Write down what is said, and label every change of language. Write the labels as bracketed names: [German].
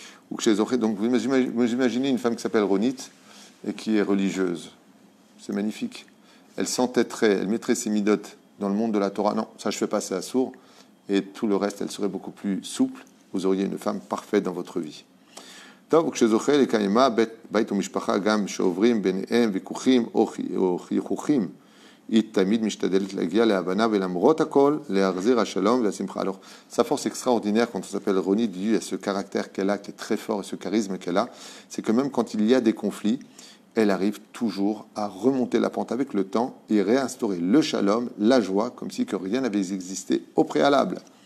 [French] Donc, vous imaginez une femme qui s'appelle Ronit et qui est religieuse. C'est magnifique. Elle s'entêterait, elle mettrait ses midotes dans le monde de la Torah. Non, ça, je fais pas, c'est assourd. Et tout le reste, elle serait beaucoup plus souple. Vous auriez une femme parfaite dans votre vie. [Hebrew] טוב, וכשזוכה לקיימה, בית ומשפחה גם שעוברים ביניהם ויכוחים או חיכוכים, היא תמיד משתדלת להגיע להבנה ולמרות הכל, להחזיר השלום והשמחה. [French] Alors, sa force extraordinaire, quand on s'appelle Roni, Dieu, ce caractère qu'elle a, qui est très fort, et ce charisme qu'elle a, c'est que même quand il y a des conflits, elle arrive toujours à remonter la pente avec le temps et réinstaurer le shalom, la joie, comme si que rien n'avait existé au préalable.